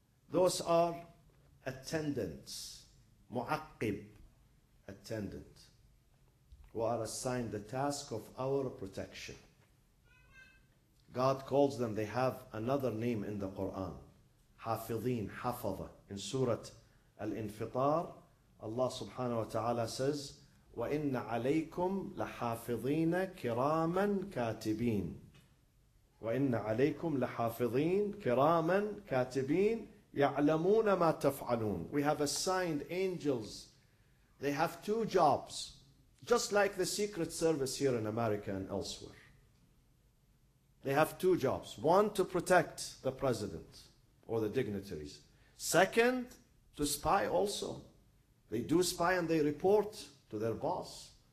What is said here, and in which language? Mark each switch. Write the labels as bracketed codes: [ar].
[en] Those are attendants, مُعَقِّب, attendant, who are assigned the task of our protection. God calls them, they have another name in the Quran, حافظين, حفظة. In Surah Al-Infitar, Allah subhanahu wa ta'ala says, [ar] وَإِنَّ عَلَيْكُمْ لَحَافِظِينَ كِرَامًا كَاتِبِينَ وَإِنَّ عَلَيْكُمْ لَحَافِظِينَ كِرَامًا كَاتِبِينَ يَعْلَمُونَ مَا تَفْعَلُونَ. [en] We have assigned angels. They have two jobs, just like the Secret Service here in America and elsewhere. They have two jobs. One, to protect the president or the dignitaries. Second, to spy also. They do spy and they report to their boss.